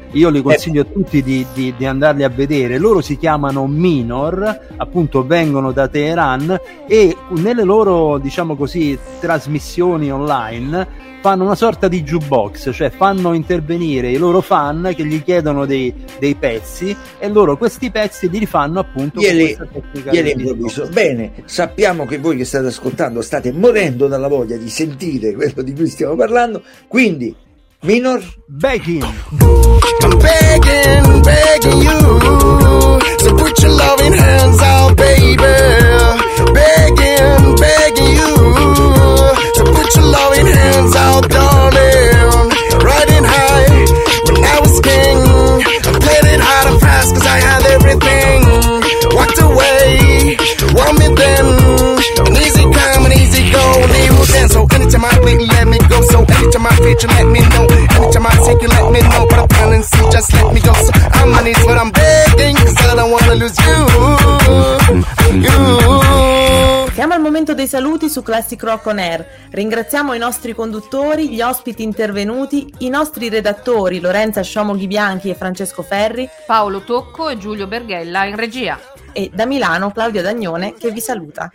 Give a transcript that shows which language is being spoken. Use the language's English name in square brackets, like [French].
[Italian] Io li consiglio a tutti di andarli a vedere. Loro si chiamano Minor, appunto vengono da Teheran, e nelle loro, diciamo così, trasmissioni online fanno una sorta di jukebox, cioè fanno intervenire i loro fan che gli chiedono dei pezzi, e loro questi pezzi li rifanno appunto ieri improvviso. Bene, sappiamo che voi che state ascoltando state morendo dalla voglia di sentire quello di cui stiamo parlando, quindi Minor [English] Baking. I'm begging, begging you. So put your loving hands out, baby. Begging, begging you. So put your loving hands out, darling. Riding high when I was king. Played it hard and fast cause I had everything. Walked away, want me then. An easy come and easy go, leave me then. So anytime I bleed, let me go. So anytime I feature, let me know. Anytime I take you, let me know. But I'm telling you, just let me go. So I'm on this, but I'm begging, cause I don't wanna lose you. You. [Italian] Siamo al momento dei saluti su Classic Rock On Air. Ringraziamo i nostri conduttori, gli ospiti intervenuti, i nostri redattori Lorenza Sciomoghi Bianchi e Francesco Ferri, Paolo Tocco e Giulio Berghella in regia, e da Milano Claudia Dagnone che vi saluta.